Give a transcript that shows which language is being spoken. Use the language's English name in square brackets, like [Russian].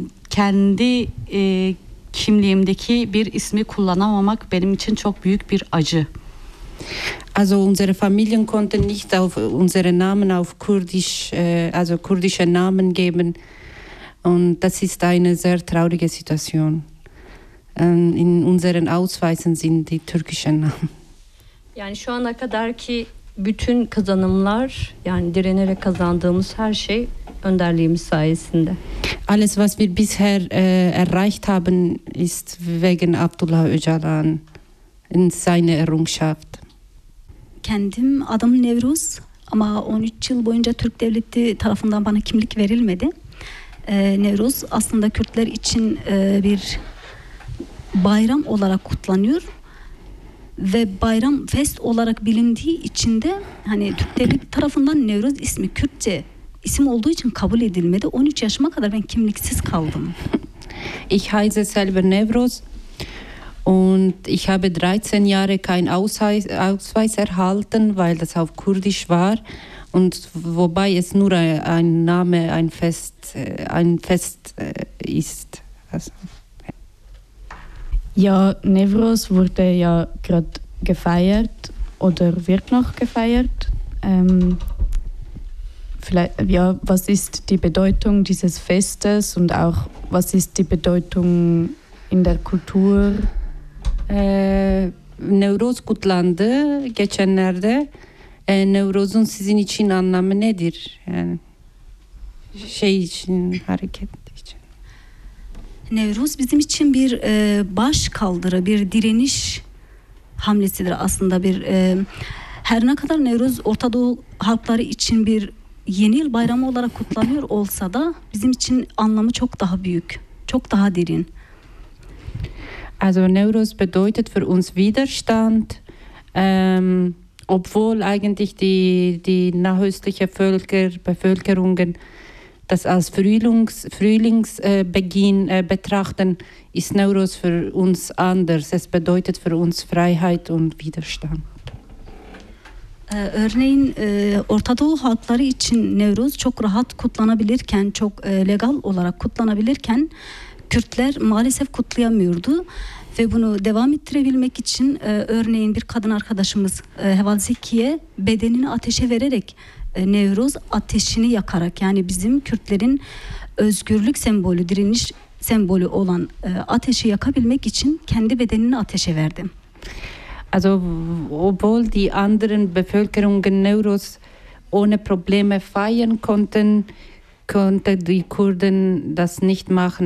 [Turkish] Kendi kimliğimdeki bir ismi kullanamamak benim için çok büyük bir acı. [German] Also unsere Familien konnten nicht auf unsere Namen auf Kurdisch, also kurdische Namen geben. Und das ist eine sehr traurige Situation. In unseren Ausweisen sind die türkischen Namen. [Turkish] Yani şu ana kadar ki bütün kazanımlar, yani direnerek kazandığımız her şey önderliğimiz sayesinde. [German] Alles was wir bisher erreicht haben ist wegen Abdullah Öcalan in seine Errungenschaft. [Turkish] Kendim adım Nevruz ama 13 yıl boyunca Türk Devleti tarafından bana kimlik verilmedi. Nevruz aslında Kürtler için bir bayram olarak kutlanıyor ve bayram fest olarak bilindiği için de hani Türk Devleti tarafından Nevruz ismi Kürtçe isim olduğu için kabul edilmedi. 13 yaşıma kadar ben kimliksiz kaldım. [German] Ich heiße selber Nevruz und ich habe 13 Jahre kein Ausweis erhalten, weil das auf Kurdisch war. Und wobei es nur ein Name, ein Fest ist. Also. Ja, Nevruz wurde ja gerade gefeiert oder wird noch gefeiert. Vielleicht, ja, was ist die Bedeutung dieses Festes und auch was ist die Bedeutung in der Kultur? [Turkish] Nevruz kutlandı geçenlerde. Nevruz'un sizin için anlamı nedir? Yani şey için, hareket için. Nevruz bizim için bir baş kaldırı, bir direniş hamlesidir aslında. Bir her ne kadar Nevruz Orta Doğu halkları için bir yeni yıl bayramı olarak kutlanıyor olsa da bizim için anlamı çok daha büyük, çok daha derin. [German] Also Nevroz bedeutet für uns Widerstand, obwohl eigentlich die nahöstliche Bevölkerung das als Frühlingsbeginn betrachten, ist Nevroz für uns anders. Es bedeutet für uns Freiheit und Widerstand. [Turkish] Örneğin Orta Doğu halkları için Nevroz çok rahat kutlanabilirken, çok legal olarak kutlanabilirken Kürtler maalesef kutlayamıyordu. Ve bunu devam ettirebilmek için örneğin bir kadın arkadaşımız Heval Zeki'ye bedenini ateşe vererek Nevroz ateşini yakarak, yani bizim Kürtlerin özgürlük sembolü, direniş sembolü olan ateşi yakabilmek için kendi bedenini ateşe verdi. [German] Also obwohl die anderen Bevölkerungen Nevroz ohne Probleme feiern konnten, konnte die Kurden das nicht machen.